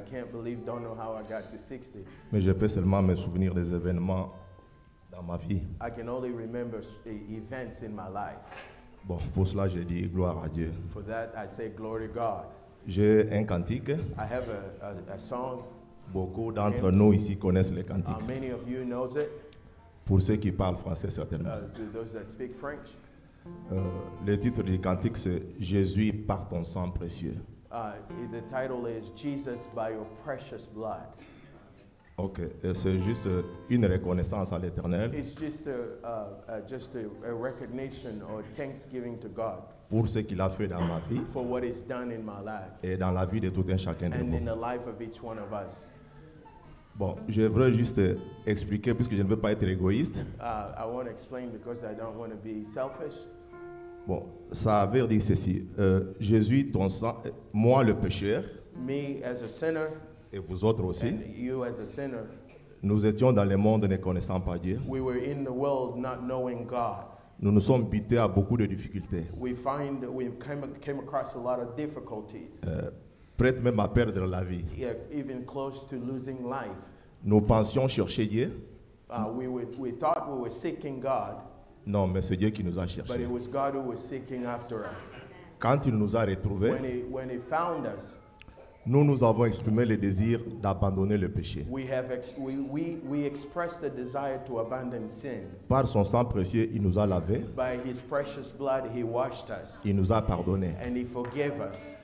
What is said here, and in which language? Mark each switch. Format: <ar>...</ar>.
<en>I can't believe, don't know how I got to 60.</en> <fr>Mais je peux seulement me souvenir des événements dans ma vie.</fr> <en>I can only remember events in my life.</en> <fr>Bon, pour cela, je dis gloire à Dieu.</fr> <en>For that, I say glory to God.</en> <fr>J'ai un cantique.</fr> <en>I have a song.</en> <fr>Beaucoup d'entre nous ici connaissent le cantique.</fr> <en>Many of you know it.</en> <fr>Pour ceux qui parlent français, certainement.</fr> <en>Those that speak French.</en> <fr>Le titre du cantique, c'est « Jésus par ton sang précieux ».</fr> <en>The title is « Jesus by your precious blood ».</en> <fr>Ok, et c'est juste une reconnaissance à l'Éternel.</fr> <en>It's just a recognition or thanksgiving to God.</en> <fr>Pour ce qu'il a fait dans ma vie.</fr> <en>For what he's done in my life.</en> <fr>Et dans la vie de tout un chacun de</fr> <en>and</en> <fr>vous.</fr> <en>And in the life of each one of us.</en> <fr>Bon, je voudrais juste expliquer puisque je ne veux pas être égoïste.</fr> <en>I want to explain because I don't want to be selfish.</en> <fr>Bon, ça veut dire ceci. Jésus, ton sang, moi le pécheur.</fr> <en>Me as a sinner.</en> <fr>Et vous autres aussi.</fr> <en>And you as a sinner.</en> <fr>Nous étions dans le monde ne connaissant pas Dieu.</fr> <en>We were in the world not knowing God.</en> <fr>Nous nous sommes butés à beaucoup de difficultés.</fr> <en>We came across a lot of difficulties.</en> <fr>Prête même à perdre la vie.</fr> <en>Yeah, even close to losing life.</en> <fr>Nous pensions chercher Dieu.</fr> <en>We thought we were seeking God.</en> <fr>Non, mais c'est Dieu qui nous a cherchés.</fr> <en>But it was God who was seeking after us.</en> <fr>Quand il nous a retrouvés,</fr> <en>when he found us,</en> <fr>nous avons exprimé le désir d'abandonner le péché.</fr> <en>We expressed the desire to abandon sin.</en> <fr>Par son sang précieux, il nous a lavés.</fr> <en>By his precious blood, he washed us.</en> <fr>Il nous a pardonné.</fr> <en>And he forgave us.</en>